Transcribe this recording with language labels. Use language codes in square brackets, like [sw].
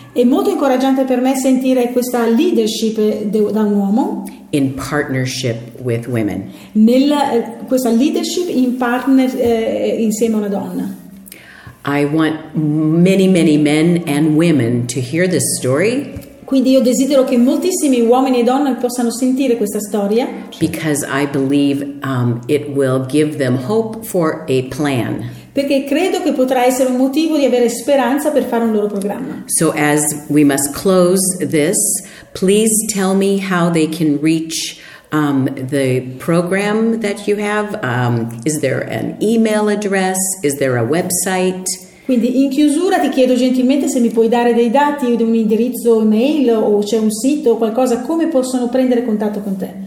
[it] È molto incoraggiante per me sentire questa leadership da un uomo. [en] In partnership with women. [it] Questa leadership in partner insieme a una donna. [en] I want many, many men and women to hear this story. [it] Quindi io desidero che moltissimi uomini e donne possano sentire questa storia. [en] Because I believe it will give them hope for a plan. [it] Perché credo che potrà essere un motivo di avere speranza per fare un loro programma. [en] So as we must close this, please tell me how they can reach the program that you have. Is there an email address? Is there a website? [it] Quindi in chiusura ti chiedo gentilmente se mi puoi dare dei dati, un indirizzo email o c'è un sito o qualcosa, come possono prendere contatto con te?